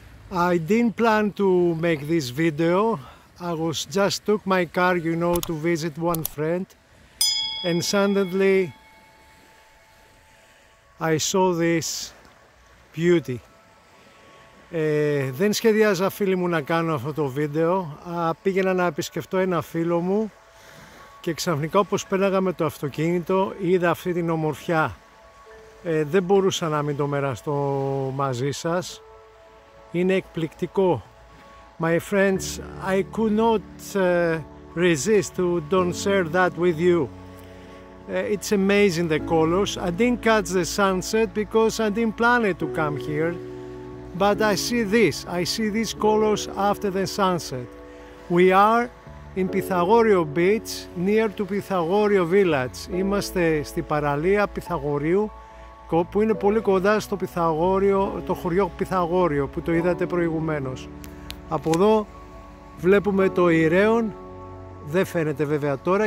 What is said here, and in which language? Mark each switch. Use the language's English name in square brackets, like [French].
[English] I didn't plan to make this video. I was just took my car, you know, to visit one friend. And suddenly I saw this beauty. [Greek] Δεν σχεδιάζα φίλοι μου να κάνω αυτό το βίντεο. Πήγαινα να επισκεφτώ ένα φίλο μου και ξαφνικά όπως πέραγα με το αυτοκίνητο είδα αυτή την ομορφιά. Δεν μπορούσα να μην το μοιραστώ μαζί σας. Είναι εκπληκτικό. [English] My friends, I could not resist to don't share that with you. It's amazing the colors. I didn't catch the sunset because I didn't plan it to come here. But I see these colors after the sunset. We are in Pythagorio Beach, near to Pythagorio Village. [Greek] Είμαστε στη παραλία Πυθαγορείου, που είναι πολύ κοντά στο Πυθαγόριο, το χωριό Πυθαγόριο, που το είδατε προηγουμένως. Από εδώ βλέπουμε το Ηραίον, δεν φαίνεται βέβαια τώρα.